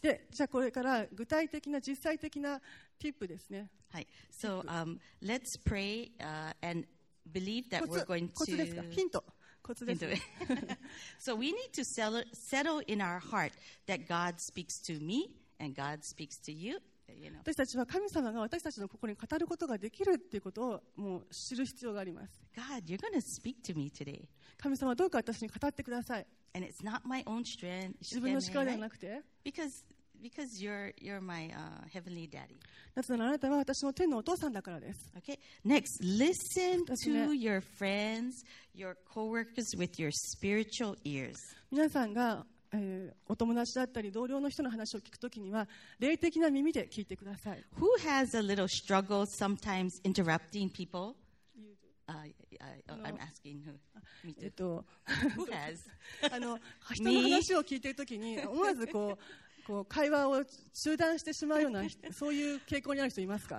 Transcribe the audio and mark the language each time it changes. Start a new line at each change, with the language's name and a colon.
Japanese: で、じゃあこれから具体的な実際的なティップですね。はい。
English: So let's pray and believe that we're going to.
Japanese: コツですか？ヒント。コツです。
English: So we need to settle in our heart that God speaks to me and God speaks to you. You know.
Japanese: 私たちは神様が私たちの心に語ることができるということをもう知る必要があります。
English: God, you're gonna speak to me today.
Japanese: 神様どうか私に語ってください。
English: And it's not my own strength.
Japanese: 自分の力ではなくて。
English: Because you're my heavenly daddy.
Japanese: なぜならあなたは私の天のお父さんだからです。
English: Okay. Next, listen to your friends, your coworkers with your spiritual ears.
Japanese: 皆さんがお友達だったり同僚の人の話を聞くときには霊的な耳で聞いてください。
English: Who has a little struggle sometimes interrupting people? I'm asking who. Me too. Who has?
Japanese: あの人の話を聞いてるときに思わずこう会話を中断してしまうようなそういう傾向にある人いますか？